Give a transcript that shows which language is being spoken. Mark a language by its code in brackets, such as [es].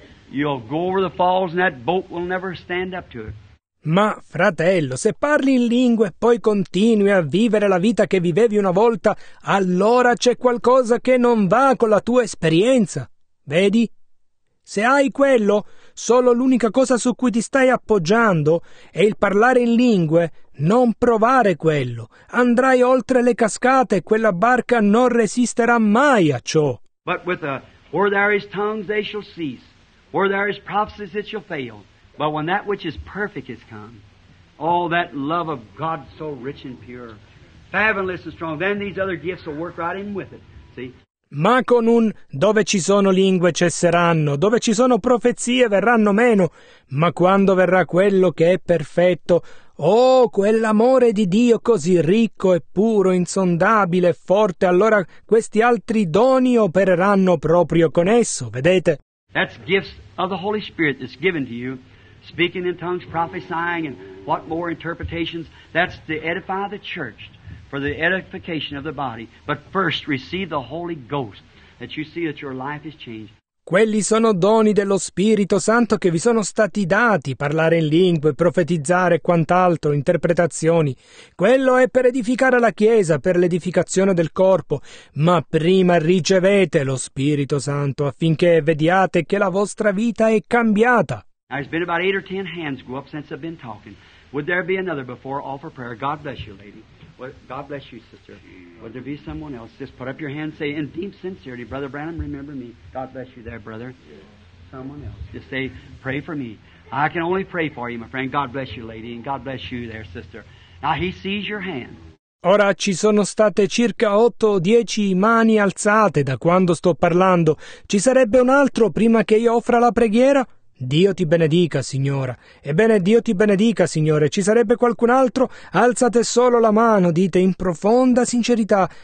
[en] You'll go over the falls and that boat will never stand up to it. [it] Ma, fratello, se parli in lingue e poi continui a vivere la vita che vivevi una volta, allora c'è qualcosa che non va con la tua esperienza. Vedi? Se hai quello, solo l'unica cosa su cui ti stai appoggiando è il parlare in lingue. Non provare quello. Andrai oltre le cascate e quella barca non resisterà mai a ciò. [en] But with the, where there is tongues, they shall cease. Where there is prophecies, it shall fail. But when that which is perfect is come, all that love of God so rich and pure, fathomless and strong, then these other gifts will work right in with it. See? [it] Ma con un dove ci sono lingue cesseranno, dove ci sono profezie verranno meno, ma quando verrà quello che è perfetto, Oh, quell'amore di Dio così ricco e puro, insondabile e forte, allora questi altri doni opereranno proprio con esso, vedete? [en] That's gifts of the Holy Spirit that's given to you, speaking in tongues, prophesying, and what more interpretations. That's to edify the church for the edification of the body. But first receive the Holy Ghost, that you see that your life is changed. [it] Quelli sono doni dello Spirito Santo che vi sono stati dati, parlare in lingue, profetizzare e quant'altro, interpretazioni. Quello è per edificare la Chiesa, per l'edificazione del corpo, ma prima ricevete lo Spirito Santo affinché vediate che la vostra vita è cambiata. [en] Now, it's been about 8 or 10 hands go up since I've been talking. Would there be another before offer prayer? God bless you, lady. God bless you, sister. Would there be someone else? Just put up your hand and say, in deep sincerity, Brother Branham, remember me. God bless you there, brother. Someone else. Just say, pray for me. I can only pray for you, my friend. God bless you, lady, and God bless you there, sister. Now, he sees your hand. [it] Ora ci sono state circa 8 o 10 mani alzate da quando sto parlando. Ci sarebbe un altro prima che io offra la preghiera? Dio ti benedica, signora. Ebbene, Dio ti benedica, signore. Ci sarebbe qualcun altro? Alzate solo la mano, dite in profonda sincerità.